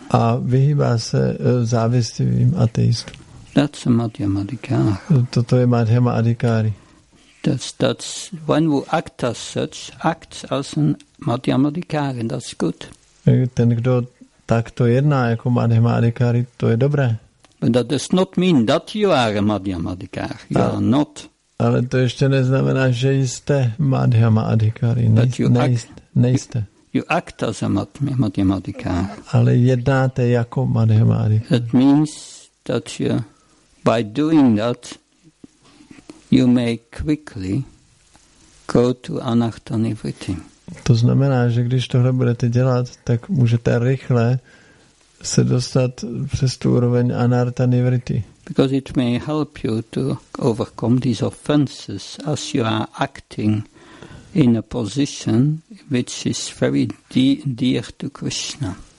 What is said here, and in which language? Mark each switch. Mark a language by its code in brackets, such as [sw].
[cs] A vyhýbá se závistivým ateistům. [en] That's a madhyamadikár. [cs] Toto je madhyamadikári. [en] That's when we act as such, acts as a madhyamadikár, and that's good. [cs] Ten, kdo takto jedná jako madhyamadikár, to je dobré. [en] But that does not mean that you are a madhyamadikár. You are not. [cs] Ale to ještě neznamená, že jste madhyamadikári. Nejste. [en] You act as a madhyamadikár. [cs] Ale jednáte jako madhyamadikár. [en] That means that you, by doing that, you may quickly go to anatta nivritti. [cs] To znamená, že když tohle budete dělat, tak můžete rychle se dostat přes tu úroveň anatta nivritti. [en] Because it may help you to overcome these offenses as you are acting in a position which is very dear to Krishna.